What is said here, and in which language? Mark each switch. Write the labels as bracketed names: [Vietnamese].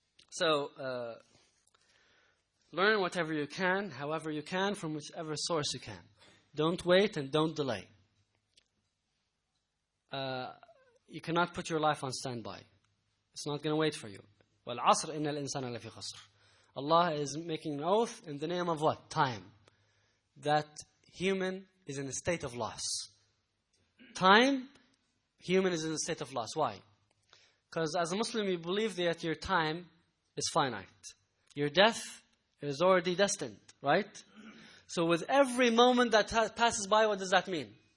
[English] So, learn whatever you can, however you can, from whichever source you can. Don't wait and don't delay. You cannot put your life on standby. It's not going to wait for you. [Arabic] والعصر إن الإنسان لفي خسر. [English] Allah is making an oath in the name of what? Time. That human is in a state of loss. Time, human is in a state of loss. Why? Because as a Muslim, you believe that your time is finite. Your death is already destined, right? So with every moment that passes by, what does that mean?